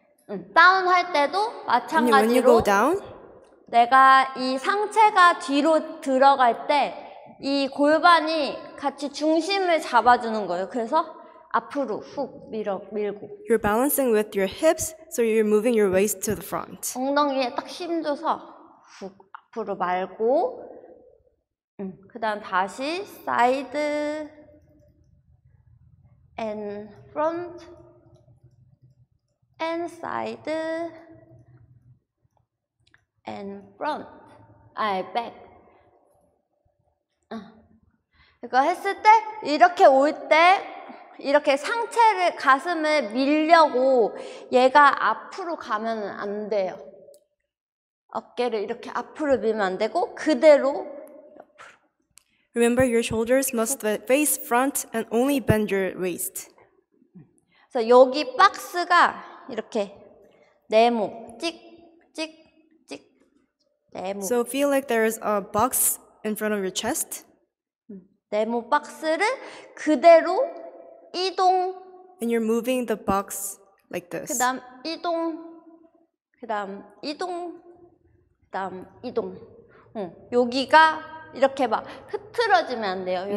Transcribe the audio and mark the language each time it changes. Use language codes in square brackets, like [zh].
[ko] 응, 다운 할 때도 마찬가지로 [en] when you go down, [ko] 내가 이 상체가 뒤로 들어갈 때이 골반이 같이 중심을 잡아주는 거예요. 그래서 앞으로 훅 밀고 [en] You're balancing with your hips, so you're moving your waist to the front. [ko] 엉덩이에 딱 힘줘서 훅 앞으로 말고 응, 그다음 다시 사이드 앤 프론트 앤 사이드 앤 프론트 아이 백 이거 했을 때 이렇게 올때 이렇게 상체를 가슴을 밀려고 얘가 앞으로 가면 안 돼요. 어깨를 이렇게 앞으로 밀면 안 되고 그대로 [en] Remember, your shoulders must face front and only bend your waist. [ko] 그래서 여기 박스가 이렇게 네모 네모 [en] So feel like there is a box in front of your chest. [ko] 네모 박스를 그대로 이동 [en] And you're moving the box like [ko] 그다음 [en] this. [ko] 이동 그다음 이동 그다음 이동 여기가 이렇게 막 흐트러지면 안 돼요